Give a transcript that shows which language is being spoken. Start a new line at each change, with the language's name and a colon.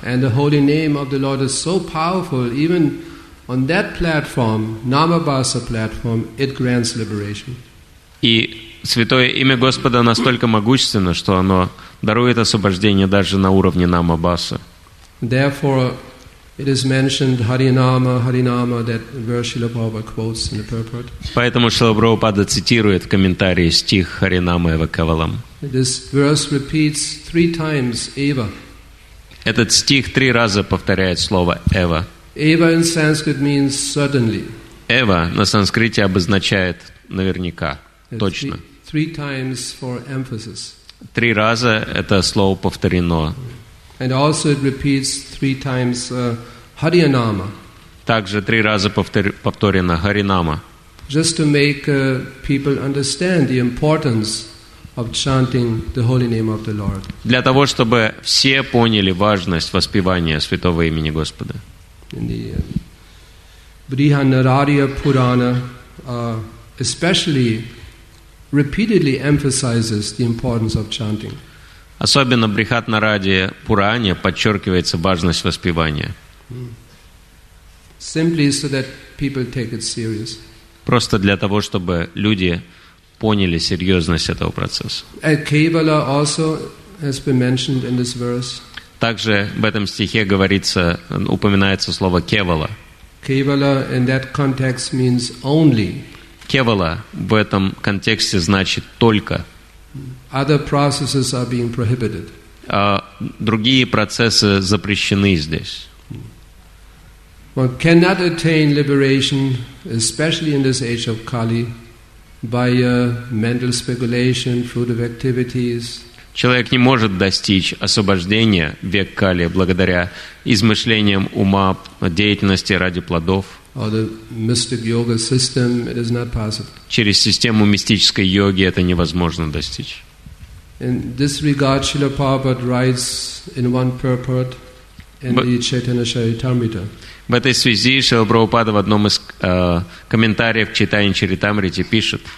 English: And the holy name of the Lord is so powerful, even on that platform, Namabhasa platform, it grants liberation.
Russian: И святое имя Господа настолько могущественно, что оно дарует освобождение даже на уровне Намабхаса.
English: Therefore, it is mentioned Harinama, Harinama, that verse Srila Prabhupada quotes in the purport.
Russian: Поэтому Шрила Прабхупада цитирует в комментарии стих
Sanskrit: Харинама Эва Кавалам.
English: This verse repeats three times Eva.
Russian: Этот стих три раза повторяет слово Эва.
English: Eva in Sanskrit means certainly.
Russian: Эва на санскрите обозначает наверняка, точно.
English: Three times for emphasis.
Russian: Три раза это слово повторено.
English: And also it repeats three times Harinama.
Russian: Также три раза повторено Харинама.
English: Just to make people understand the importance of chanting the holy name of the Lord.
Russian: Для того, чтобы все поняли важность воспевания святого имени Господа.
English: In the Brihadaranya Purana especially repeatedly emphasizes the importance of chanting.
Russian: Особенно Брихатнараде Пуране подчеркивается важность воспевания.
English: Simply so that people take it serious.
Russian: Просто для того, чтобы люди поняли серьезность этого процесса.
English: A Kevala also has been mentioned in this verse.
Russian: Также в этом стихе говорится, упоминается слово Кевала.
English: Kevala in that context means only.
Russian: Кевала в этом контексте значит только.
English: Other processes are being prohibited.
Russian: Другие процессы запрещены здесь.
English: One cannot attain liberation, especially in this age of Kali, by mental speculation, fruitive activities.
Russian: Человек не может достичь освобождения в век Кали благодаря измышлениям ума, деятельности ради плодов.
English: Or the mystic yoga system, it is not possible.
Russian: Через систему мистической йоги это невозможно достичь.
English: In this regard, Srila Prabhupada writes in one purport in the Chaitanya Charitamrita.
Russian: В этой связи Шрила Прабхупада в одном из комментариев к Чайтанья Чаритамрите пишет.